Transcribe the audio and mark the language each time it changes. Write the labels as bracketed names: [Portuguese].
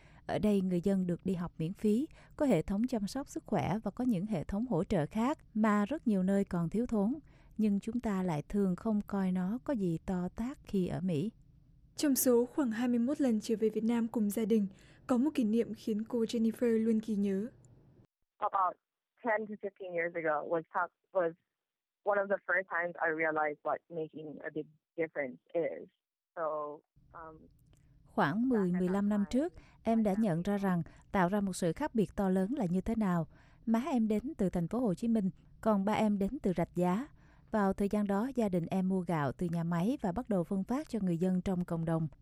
[Vietnamese] Ở đây người dân được đi học miễn phí, có hệ thống chăm sóc sức khỏe và có những hệ thống hỗ trợ khác mà rất nhiều nơi còn thiếu thốn. Nhưng chúng ta lại thường không coi nó có gì to tát khi ở Mỹ. Trong số khoảng 21 lần trở về Việt Nam cùng gia đình, có một kỷ niệm khiến cô Jennifer luôn ghi nhớ. [English] About 10 to 15 years ago was one of the first times I realized what making a big difference is. [Vietnamese] Khoảng 10-15 năm trước, em đã nhận ra rằng tạo ra một sự khác biệt to lớn là như thế nào. Má em đến từ thành phố Hồ Chí Minh, còn ba em đến từ Rạch Giá. Vào thời gian đó, gia đình em mua gạo từ nhà máy và bắt đầu phân phát cho người dân trong cộng đồng.